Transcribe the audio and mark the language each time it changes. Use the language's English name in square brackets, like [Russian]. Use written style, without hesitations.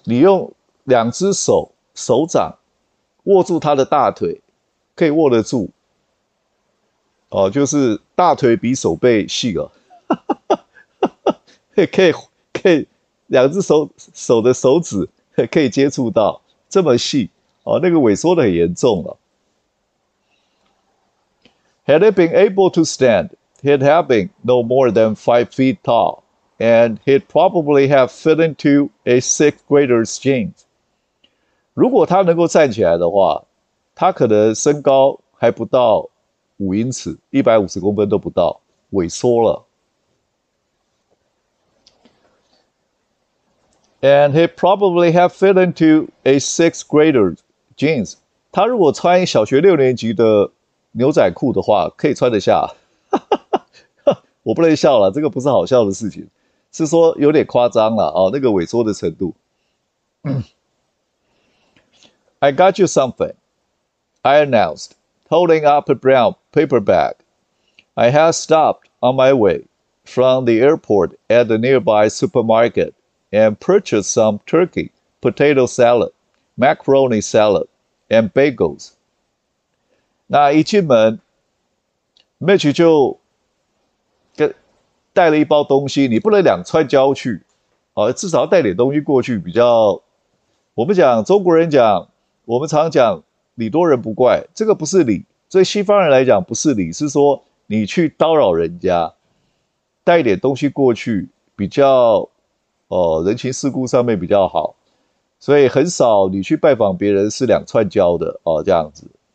[Chinese] 你用两只手手掌握住他的大腿，可以握得住，哦，就是大腿比手背细了，可以两只手的手指可以接触到这么细，哦，那个萎缩的很严重了。 [English] Had it been able to stand? He'd have been no more than 5 feet tall, and he'd probably have fit into a sixth grader's jeans. [Chinese] 如果他能够站起来的话，他可能身高还不到5英尺，150公分都不到，萎缩了。 [English] And he'd probably have fit into a sixth grader's jeans. [Chinese] 他如果穿小学6年级的牛仔裤的话，可以穿得下。我不能笑了，这个不是好笑的事情，是说有点夸张了哦，那个萎缩的程度。 [English] I got you something, I announced, holding up a brown paper bag. I had stopped on my way from the airport at the nearby supermarket and purchased some turkey, potato salad, macaroni salad, and bagels. [Chinese] 那一进门，Mitch 就带了一包东西，你不能两串交去，哦，至少要带点东西过去比较。我们讲中国人讲，我们常讲礼多人不怪，这个不是礼，对西方人来讲不是礼，是说你去叨扰人家，带点东西过去比较，人情世故上面比较好，所以很少你去拜访别人是两串交的哦，这样子。